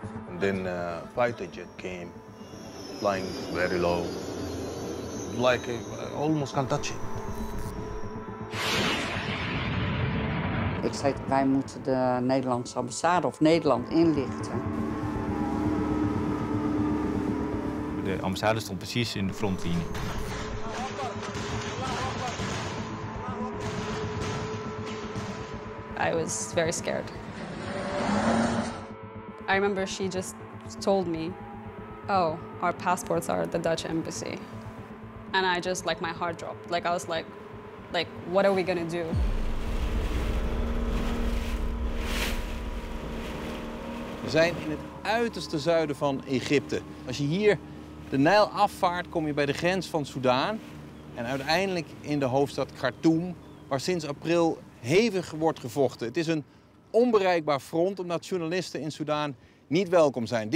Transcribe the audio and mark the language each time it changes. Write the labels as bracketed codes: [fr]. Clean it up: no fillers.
[en] And then a fighter jet came, flying very low, like I almost can't touch it. [nl] Ik zei, wij moeten de Nederlandse ambassade of Nederland inlichten. De ambassade stond precies in de frontlinie. [en] I was very scared. I remember she just told me, oh, our passports are at the Dutch embassy. And I just, like, my heart dropped. Like, I was like, what are we gonna do? [nl] We zijn in het uiterste zuiden van Egypte. Als je hier de Nijl afvaart, kom je bij de grens van Soedan. En uiteindelijk in de hoofdstad Khartoum, waar sinds april hevig wordt gevochten. Het is een onbereikbaar front, omdat journalisten in Soedan niet welkom zijn.